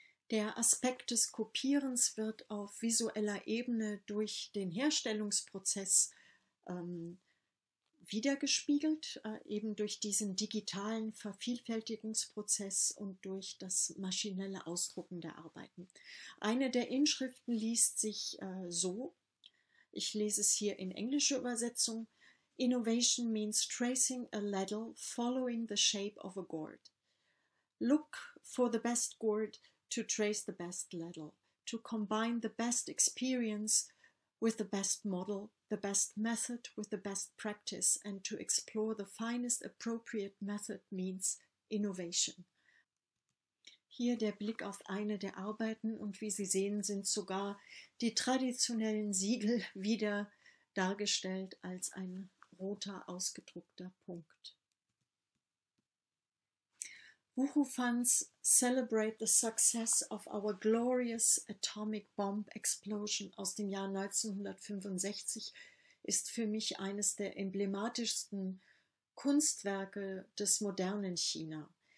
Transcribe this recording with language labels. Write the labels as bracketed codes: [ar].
[de] Der Aspekt des Kopierens wird auf visueller Ebene durch den Herstellungsprozess wiedergespiegelt, eben durch diesen digitalen Vervielfältigungsprozess und durch das maschinelle Ausdrucken der Arbeiten. Eine der Inschriften liest sich so, ich lese es hier in englischer Übersetzung, [en] Innovation means tracing a ladle following the shape of a gourd. Look for the best gourd to trace the best ladle, to combine the best experience with the best model, the best method with the best practice, and to explore the finest appropriate method means Innovation. [de] Hier der Blick auf eine der Arbeiten und wie Sie sehen, sind sogar die traditionellen Siegel wieder dargestellt als ein roter ausgedruckter Punkt. Wuhu Funds celebrate the success of our glorious atomic bomb explosion aus dem Jahr 1965 ist für mich eines der emblematischsten Kunstwerke des modernen China.